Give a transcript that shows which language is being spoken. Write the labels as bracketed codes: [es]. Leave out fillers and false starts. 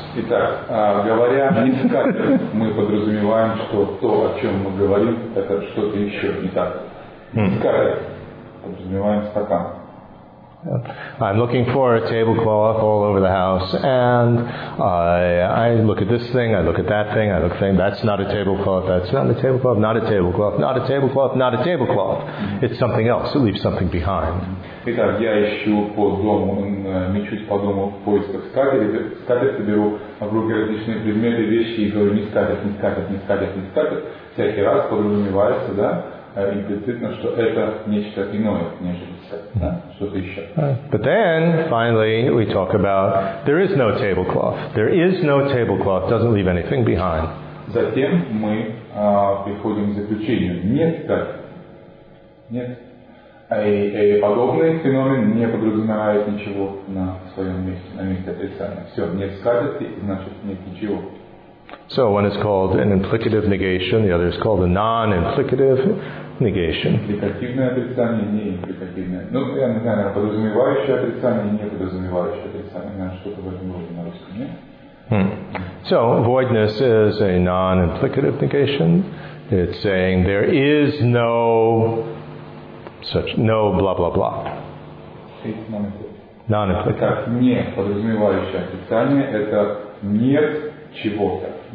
[ru] Итак, говоря не скатерть, мы подразумеваем, что то, о чем мы говорим, это что-то еще, не так. Скатерть, подразумеваем стакан. [en] I'm looking for a tablecloth all over the house, and I look at this thing, I look at that thing, I look at thing, that's not a tablecloth, that's not a tablecloth, not a tablecloth, not a tablecloth, not a tablecloth. It's something else, it leaves something behind. [ru] Итак, я ищу по дому, мечусь по дому в поисках скатерти, скатерти беру в руки различные предметы, вещи, и говорю, не скатерть, не скатерть, не скатерть, не скатерть, всякий раз подразумевается, да? Имплицитно, что это нечто иное, нежели что-то еще. [en] But then, finally, we talk about there is no tablecloth. There is no tablecloth. Doesn't leave anything behind. [ru] Затем мы приходим к заключению. Нет скатерти. Нет. И подобный феномен не подразумевает ничего на своем месте, на месте отрицания. Все, нет скатерти, значит, нет ничего. [en] So one is called an implicative negation, the other is called a non-implicative negation. [ru] Импликативное отрицание, не импликативное. Ну, я не знаю, подразумевающее отрицание, не подразумевающее отрицание. Наверное, что-то возможно на русском, нет? [en] So, voidness is a non-implicative negation. It's saying there is no such, no blah-blah-blah. Non-implicative. [ru] Не подразумевающее отрицание, это нет чего-то.